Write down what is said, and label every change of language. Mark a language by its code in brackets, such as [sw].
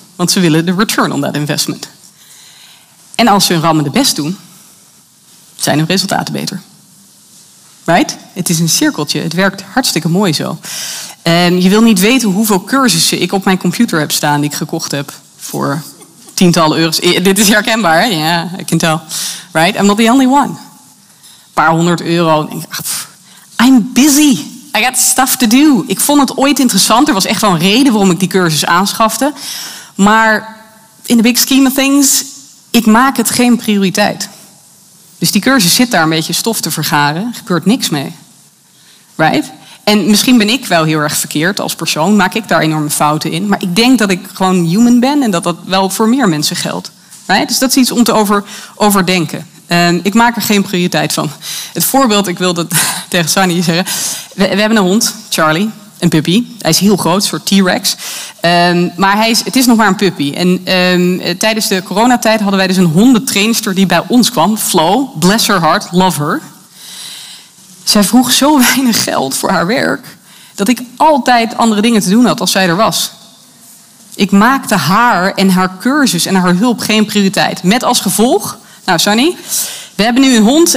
[nl] Want ze willen de [en] return on that investment. [nl] En als ze hun rammende best doen, zijn hun resultaten beter. [en] Right? [nl] Het is een cirkeltje. Het werkt hartstikke mooi zo. Je wil niet weten hoeveel cursussen ik op mijn computer heb staan die ik gekocht heb voor tientallen euro's. Dit is herkenbaar, hè? Ja, [en] yeah, I can tell. Right? I'm not the only one. [nl] Een paar 100 euro. [en] I'm busy. I got stuff to do. [nl] Ik vond het ooit interessant. Er was echt wel een reden waarom ik die cursus aanschafte. Maar [en] in the big scheme of things, [nl] ik maak het geen prioriteit. Dus die cursus zit daar een beetje stof te vergaren. Er gebeurt niks mee. [en] Right? [nl] En misschien ben ik wel heel erg verkeerd als persoon. Maak ik daar enorme fouten in. Maar ik denk dat ik gewoon human ben. En dat dat wel voor meer mensen geldt. [en] Right? [nl] Dus dat is iets om te overdenken. Ik maak er geen prioriteit van. Het voorbeeld, ik wilde tegen Sunny zeggen. We hebben een hond, Charlie. Een puppy. Hij is heel groot, een soort T-Rex. Maar het is nog maar een puppy. En tijdens de coronatijd hadden wij dus een hondentrainster die bij ons kwam. [en] Flo, bless her heart, love her. [nl] Zij vroeg zo weinig geld voor haar werk. Dat ik altijd andere dingen te doen had als zij er was. Ik maakte haar en haar cursus en haar hulp geen prioriteit. Met als gevolg. Nou, Sunny, we hebben nu een hond.